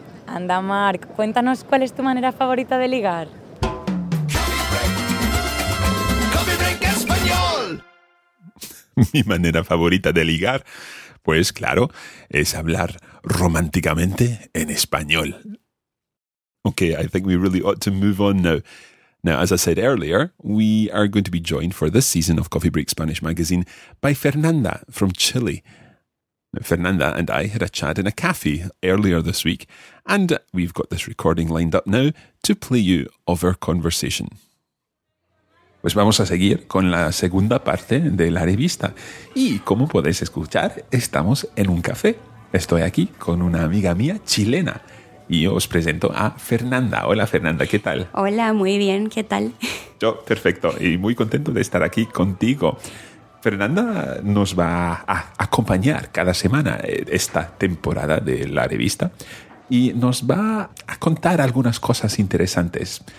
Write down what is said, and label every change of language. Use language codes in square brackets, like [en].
[es] Anda, Marc, cuéntanos cuál es tu manera favorita de ligar. [en] Coffee break español. [es] Mi manera favorita de ligar, pues claro, es hablar románticamente en español. [en] Okay, I think we really ought to move on now. Now, as I said earlier, we are going to be joined for this season of Coffee Break Spanish magazine by Fernanda from Chile. Now, Fernanda and I had a chat in a cafe earlier this week, and we've got this recording lined up now to play you of our conversation. [es] Pues vamos a seguir con la segunda parte de la revista. Y como podéis escuchar, estamos en un café. Estoy aquí con una amiga mía chilena. Y yo os presento a Fernanda. Hola, Fernanda, ¿qué tal? Hola, muy bien, ¿qué tal? Yo, perfecto, y muy contento de estar aquí contigo. Fernanda nos va a acompañar cada semana esta temporada de la revista y nos va a contar algunas cosas interesantes.